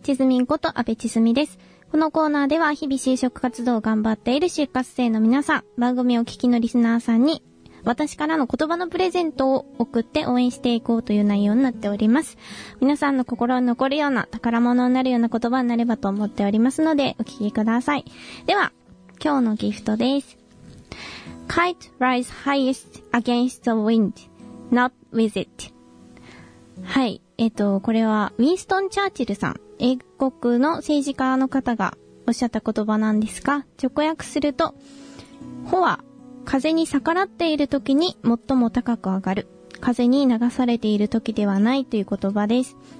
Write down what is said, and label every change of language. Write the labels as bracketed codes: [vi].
[ja] チズミンこと阿部チズミです。このコーナーでは日々就職活動を頑張っている就活生の皆さん、番組を聞きのリスナーさんに私からの言葉のプレゼントを送って応援していこうという内容になっております。皆さんの心を残るような宝物になるような言葉になればと思っておりますのでお聞きください。では今日のギフトです。 [en] Kite rise highest against the wind, not with it。 [ja] はい、これはウィンストン・チャーチルさん、英国の政治家の方がおっしゃった言葉なんですが、直訳すると帆は風に逆らっている時に最も高く上がる、風に流されている時ではないという言葉です。